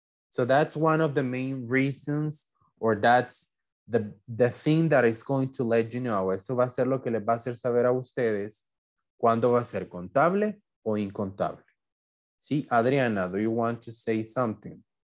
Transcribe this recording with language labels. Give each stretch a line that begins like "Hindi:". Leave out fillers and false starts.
English: So that's one of the main reasons, or that's the thing that is going to let you know.
Spanish: Eso va a ser lo que les va a hacer saber a ustedes. ¿Cuándo va a ser contable o incontable?
English: Sí, Adriana, do you want to say something?